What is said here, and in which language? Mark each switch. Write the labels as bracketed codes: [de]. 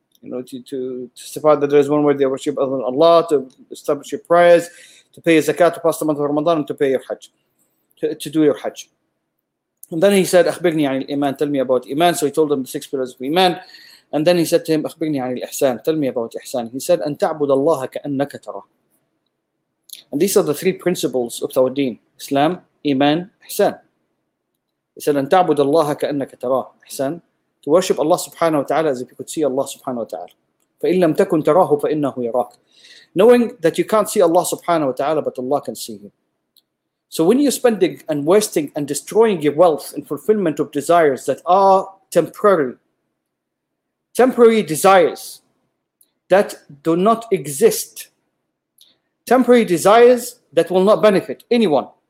[en] You know, to testify that there is one worthy of worship other than Allah, to establish your prayers, to pay your zakah, to pass the month of Ramadan, and to pay your hajj, to do your hajj. And then he said, [ar] أخبرني عن الإيمان, [en] tell me about Iman. So he told him the six pillars of Iman. And then he said to him, [ar] أخبرني عن الإحسان, [en] tell me about Ihsan. He said, [ar] أن تعبد الله كأنك ترى. [en] And these are the three principles of Tawaddin: Islam, Iman, Ihsan. He said, [ar] أن تعبد الله كأنك ترى. [en] Ihsan, to worship Allah subhanahu wa ta'ala as if you could see Allah subhanahu wa ta'ala. [ar] فإن لم تكن تراه فإنه يراك. [en] Knowing that you can't see Allah subhanahu wa ta'ala, but Allah can see you. So when you're spending and wasting and destroying your wealth in fulfillment of desires that are temporary desires that do not exist, temporary desires that will not benefit anyone.